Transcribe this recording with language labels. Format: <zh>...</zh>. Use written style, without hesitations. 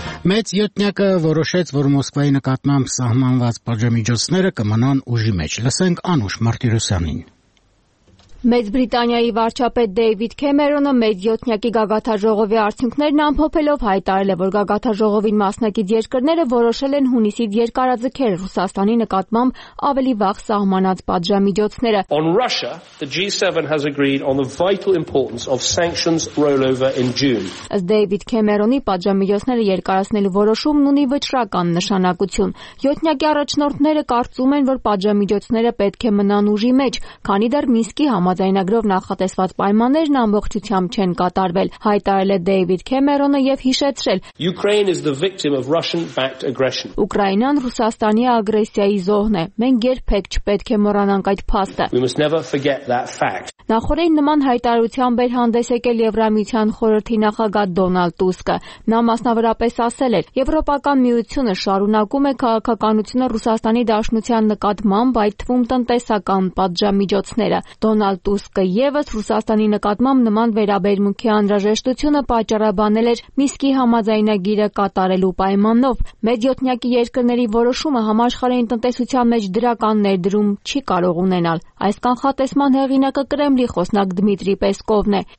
<hy>Մեծ յոթնյակը որոշեց, որ Մոսկվայի նկատմամբ սահմանված պատժամիջոցները կմնան ուժի մեջ։ Լսենք Անուշ Մարտիրոսյանին։ Մեծ Բրիտանիայի վարչապետ Դեյվիդ Քեմերոնը մեծ յոթնյակի գագաթաժողովի արդյունքներն ամփոփելով հայտարել է, որ գագաթաժողովի մասնակից երկրները որոշել են հունիսի երկարաձգել Ռուսաստանի նկատմամբ ավելի վաղ սահմանած պատժամիջոցները։</hy> <en>On Russia, the G7 has agreed on the vital importance of sanctions rollover in June.</en> <hy>Ըս Դեյվիդ Քեմերոնի, պատժամիջոցները երկարացնելու որոշումն ունի վճռական նշանակություն։ Յոթնյակի առաջնորդները կարծում են, որ պատժամիջոցները պետք է մնան ուժի մեջ, քանի դեռ Մինսկի համաձայնությունը համաձայնագրով նախատեսված պայմաններն ամբողջությամբ չեն կատարվել, հայտարել է Դեյվիդ Քեմերոնը եւ հիշեցրել.</hy> <en>Ukraine is the victim of Russian-backed aggression.</en> <hy>Ուկրաինան ռուսաստանի ագրեսիայի զոհն է։ Մենք երբեք չպետք է մոռանանք այդ փաստը։</hy> <en>We must never forget that fact.</en> <hy>Նախորդին նման հայտարարությամբ էր հանդես եկել Եվրամիության խորհրդի նախագահ Դոնալդ Տուսկը։ Նա մասնավորապես ասել էր. Եվրոպական միությունը շարունակում է քաղաքականությունը Ռուսաստանի Դաշնության նկատմամբ, այդ թվում տնտեսական պատժամիջոցները։ Դոնալդ Տուսկը եւս Ռուսաստանի նկատմամբ նման վերաբերմունքի անհրաժեշտությունը պատճառաբանել էր Միսկի համաձայնագիրը կատարելու պայմաններով։ Մեծյոթնյակի երկրների որոշումը համաշխարհային տնտեսության մեջ դրական ներդրում չի կարող ունենալ։ Այս կանխատեսման հեղինակը Կրեմլի խոսնակ Դմիտրի Պեսկովն է։</hy>